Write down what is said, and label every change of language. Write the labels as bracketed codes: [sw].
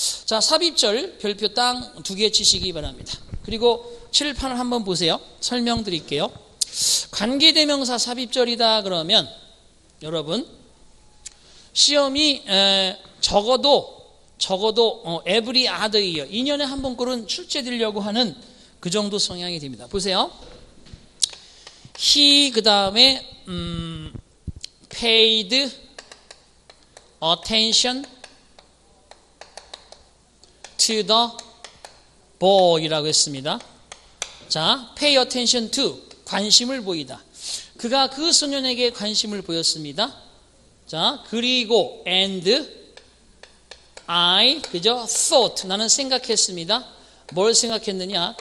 [ko] 자, 삽입절 별표 땅 두 개 치시기 바랍니다. 그리고 칠판을 한번 보세요. 설명드릴게요. 관계대명사 삽입절이다 그러면 여러분 시험이 적어도 [en] every other year, [ko] 2년에 한 번 꼴은 출제되려고 하는 그 정도 성향이 됩니다. 보세요. [en] He [ko] 그 다음에 [en] paid attention to the boy라고 [ko] 했습니다. 자, [en] pay attention to [ko] 관심을 보이다. 그가 그 소년에게 관심을 보였습니다. 자, 그리고 [en] and I [ko] 그죠? [en] thought [ko] 나는 생각했습니다. 뭘 생각했느냐?